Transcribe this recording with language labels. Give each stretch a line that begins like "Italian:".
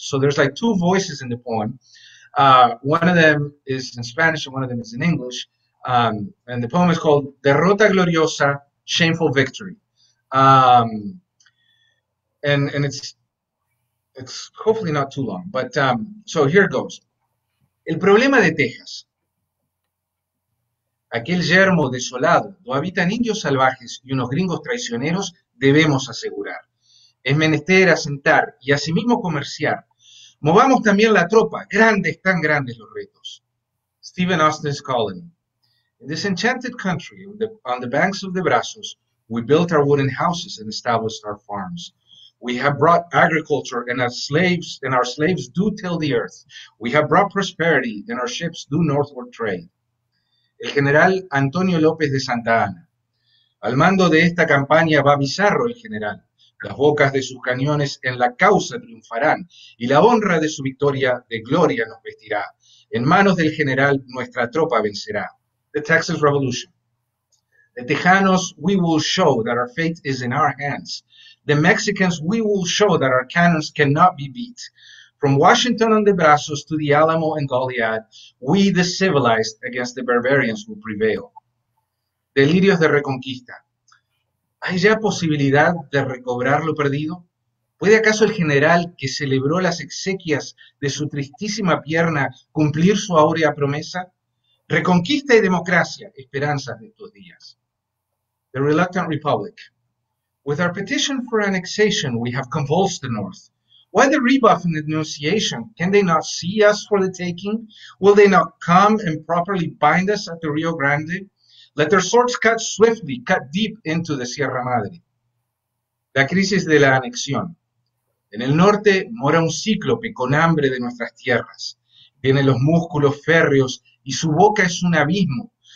English: So there's like two voices in the poem. One of them is in Spanish and one of them is in English. And the poem is called Derrota Gloriosa, Shameful Victory. And it's hopefully not too long, but so here it goes.
Spanish: El problema de Texas. Aquel yermo desolado, donde habitan indios salvajes y unos gringos traicioneros, debemos asegurar. Es menester asentar y asimismo comerciar. Movamos también la tropa, grandes, tan grandes los retos.
English: Stephen Austin's Colony. In this enchanted country, on the banks of the Brazos, we built our wooden houses and established our farms. We have brought agriculture, and our slaves do till the earth. We have brought prosperity, and our ships do northward trade.
Spanish: El general Antonio López de Santa Anna. Al mando de esta campaña va Pizarro, el general. Las bocas de sus cañones en la causa triunfarán, y la honra de su victoria de gloria nos vestirá. En manos del general nuestra tropa vencerá.
English: The Texas Revolution. The Tejanos, we will show that our fate is in our hands. The Mexicans, we will show that our cannons cannot be beat. From Washington on the Brazos to the Alamo and Goliad, we the civilized against the barbarians will prevail.
Spanish: Delirios de Reconquista. ¿Hay ya posibilidad de recobrar lo perdido? ¿Puede acaso el general que celebró las exequias de su tristísima pierna cumplir su áurea promesa? Reconquista y democracia, esperanzas de estos días.
English: The Reluctant Republic. With our petition for annexation, we have convulsed the North. Why the rebuff in the denunciation? Can they not see us for the taking? Will they not come and properly bind us at the Rio Grande? Let their swords cut swiftly, cut deep into the Sierra Madre.
Spanish: La crisis de la anexión. En el norte mora un cíclope con hambre de nuestras tierras. Tiene los músculos férreos y su boca es un abismo.